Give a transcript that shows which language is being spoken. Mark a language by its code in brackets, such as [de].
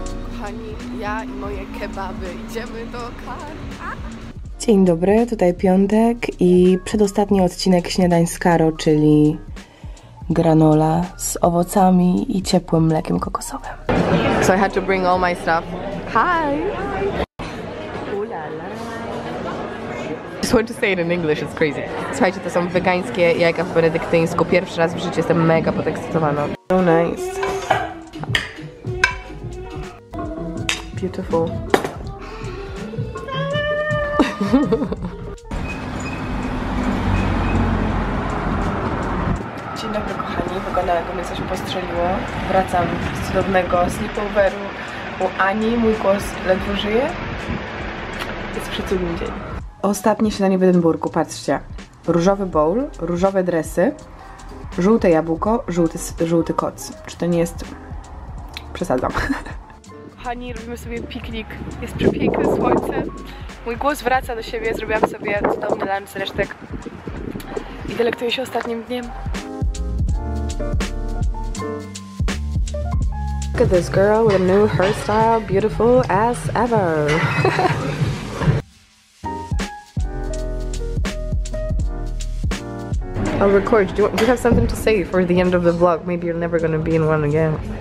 [pl] Kochani, ja i moje kebaby idziemy do Karo. Dzień dobry, tutaj piątek i przedostatni odcinek śniadań z Karo, czyli granola z owocami i ciepłym mlekiem kokosowym. [en] So I had to bring all my stuff. Hi! Just want to say it in English, it's crazy. [pl] Słuchajcie, to są wegańskie jajka w benedyktyńsku. Pierwszy raz w życiu, jestem mega podekscytowana. [en] So nice. Beautiful. [pl] Dzień dobry, kochani. Wygląda, jakby mnie coś postrzeliło. Wracam z cudownego sleepoveru u Ani. Mój głos ledwo żyje. Jest przecudny dzień. Ostatnie śniadanie w Edynburgu, patrzcie. Różowy bowl, różowe dresy, żółte jabłko, żółty koc. Czy to nie jest... Przesadzam. Kochani, robimy sobie piknik. Jest przepiękne słońce. Mój głos wraca do siebie. Zrobiłam sobie cudowny lunch z resztek. I delektuję się ostatnim dniem. [en] Look at this girl with a new hairstyle, beautiful as ever. I'll record. Do you have something to say for the end of the vlog? Maybe you're never gonna be in one again.